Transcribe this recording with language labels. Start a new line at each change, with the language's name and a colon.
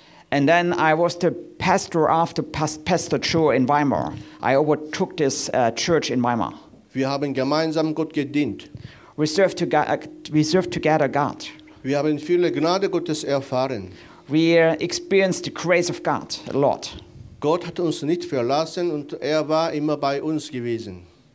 English: And then I was the pastor after Pastor Joe in Weimar. I overtook this church in Weimar.
German: Wir haben gemeinsam Gott gedient.
English: We serve together God.
German: Wir haben viele Gnade Gottes erfahren.
English: We experienced the grace of God a lot.
German: Gott hat uns nicht verlassen und er war immer bei uns gewesen.